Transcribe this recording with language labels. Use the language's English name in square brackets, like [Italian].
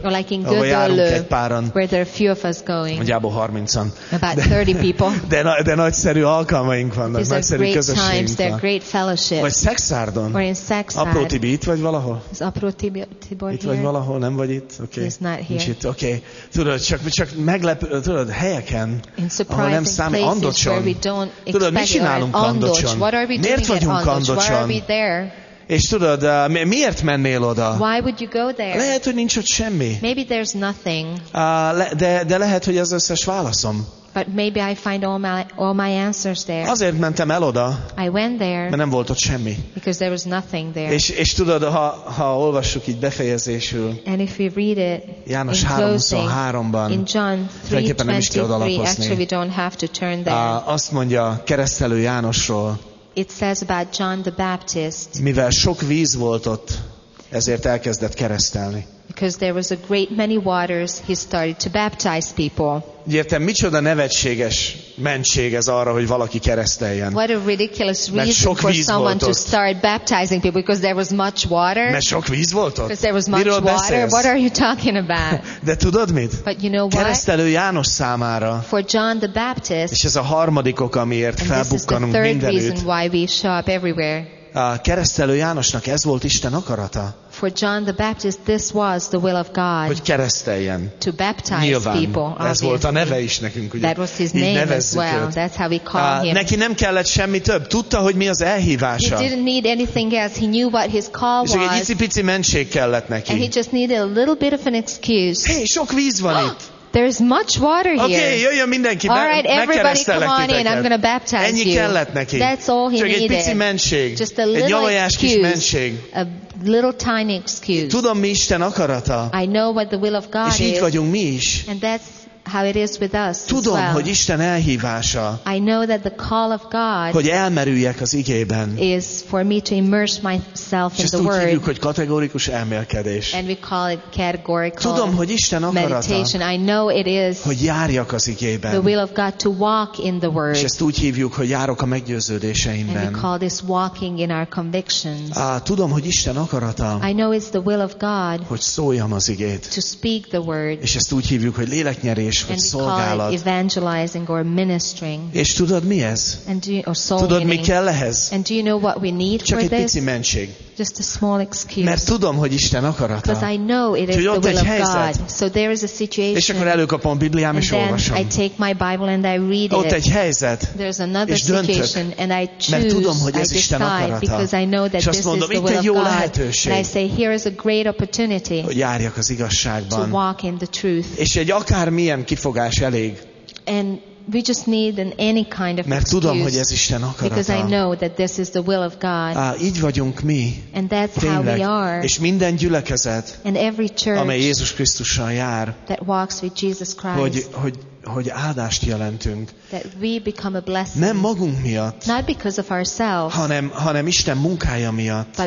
[English] or like in Gödöllő, where there are a few of us going, [Hungarian] nagyjából 30-an, [English] about 30 people. [Hungarian] De nagyszerű alkalmaink vannak, nagyszerű közösségünk van. [English] They're great fellowships. [Hungarian] Vagy Szekszárdon, [English] or in Szekszárd. [Hungarian] Apró Tibi, itt vagy valahol? [English] Is Apró Tibi Tibor [Hungarian] itt vagy valahol, nem vagy itt? [English] Okay. He's not here. [Hungarian] Nincs itt, okay. Tudod, csak meglepő, tudod, helyeken, [English] in surprising [Hungarian] nem számít, [English] places [Hungarian] Andocson. [English] Where we don't expect, [Hungarian] tudod, mi csinálunk Andocson? Miért vagyunk Andocson? És tudod, miért mennél oda? [English] Why would you go there? [Hungarian] Lehet, hogy nincs ott semmi. [English] Maybe there's nothing. [Hungarian] De lehet, hogy az összes válaszom. [English] But maybe I find all my answers there. [Hungarian] Azért mentem el oda. [English] I went there. [Hungarian] Mert nem volt ott semmi. [English] Because there was nothing there. [Hungarian] És tudod, ha olvassuk így befejezésül. [English] And if we read it, [Hungarian] János 3:23-ban. [English] In John 3:23, actually we don't have to turn there. [Hungarian] Azt mondja Keresztelő Jánosról. [English] It says about John the Baptist. [Hungarian] Mivel sok víz volt ott, ezért elkezdett keresztelni. [English] Because there was a great many waters, he started to baptize people. [Hungarian] Értem, micsoda nevetséges mentség ez arra, hogy valaki kereszteljen. [English] What a ridiculous reason for someone to start baptizing people because there was much water. [Hungarian] Mert sok víz volt ott. [English] Because there was much water. What are you talking about? [Hungarian] De tudod mit? [English] But you know what? [Hungarian] Keresztelő János számára. [English] For John the Baptist. [Hungarian] És ez a harmadik ok, amiért felbukkanunk mindenütt. [English] This is the third reason why we show up everywhere. [Hungarian] Keresztelő Jánosnak ez volt Isten akarata. [English] For John the Baptist, this was the will of God. [Hungarian] Hogy kereszteljen. [English] To baptize [Hungarian] nyilván, [English] people. [Hungarian] Ez [English] obviously [Hungarian] volt a neve is nekünk, ugye? [English] That was his name as well. [Hungarian] Őt. [English] That's how we call him. [Hungarian] Neki nem kellett semmi több. Tudta, hogy mi az elhívása. [English] He didn't need anything else. He knew what his call [Hungarian] és [English] was. [Hungarian] És egy icipici mentség kellett neki. [English] And he just needed a little bit of an excuse. [Hungarian] Hey, sok víz van itt. [English] There's much water here. [Hungarian] Okay, jöjjön mindenki. [English] All right, everybody, come on in. I'm going to baptize [Hungarian] ennyi [English] you. [Hungarian] Ennyi kellett neki. [English] That's all he [Hungarian] csak [English] needed. [Hungarian] Egy pici mentség. [English] Just a little excuse. A little tiny excuse. [Hungarian] Tudom, mi Isten akarata. [English] I know what the will of God is. [Hungarian] És így vagyunk mi is. [English] And that's how it is with us. [Hungarian] Tudom, [English] as well. [Hungarian] Hogy Isten elhívása. [English] I know that the call of God. [Hungarian] Hogy elmerüljek az igében. [English] Is for me to immerse myself in the word. [Hungarian] És tudjuk, hogy kategorikus elmélkedés. [English] And we call it categorical. [Hungarian] Tudom, hogy Isten akarata. [English] Meditation. I know it is. [Hungarian] Hogy járjak az igében. [English] The will of God to walk in the word. [Hungarian] És ezt úgy hívjuk, hogy járok a meggyőződéseimben. [English] And we call this walking in our convictions. [Hungarian] Tudom, hogy Isten akarata. [English] I know it's the will of God. [Hungarian] Hogy szóljam az igét. [English] To speak the word. [Hungarian] És ezt úgy hívjuk, hogy léleknyerés. [English] And we call it evangelizing or ministering. [Hungarian] És tudod mi ez? Tudod mi kell ehhez? [English] And do you know what we need [Hungarian] csak [English] for this? [Hungarian] Csak egy pici mentség. [English] Just a small excuse. [Hungarian] Mert tudom, hogy Isten akarata. [English] Because I know it is the will of God. So there is a situation. [Hungarian] És akkor előkapom a Bibliám és olvasom. [English] And then I take my Bible and I read it. [Hungarian] Ott egy helyzet. [English] There's another situation and I choose. [Hungarian] Mert tudom, hogy ez Isten akarata. [English] Because I know that this [Hungarian] mondom, [English] is the will of God. [Hungarian] Lehetőség. [English] And I say, here is a great opportunity. [Hungarian] Hogy járjak az igazságban. [English] To walk in the truth. [Hungarian] És egy akármilyen kifogás elég. [English] And we just need an any kind of [Hungarian] mert tudom, hogy ez Isten akarata. [English] Because I know that this is the will of God. [Hungarian] Így vagyunk mi. [English] And that's [Hungarian] tényleg. [English] How we are. [Hungarian] És minden gyülekezet, [English] and every church, [Hungarian] amely Jézus Krisztussal jár, [English] that walks with Jesus Christ, [Hungarian] hogy áldást jelentünk. [English] That we become a blessing. [Hungarian] Nem magunk miatt. [English] Not because of ourselves. [Hungarian] Hanem Isten munkája miatt.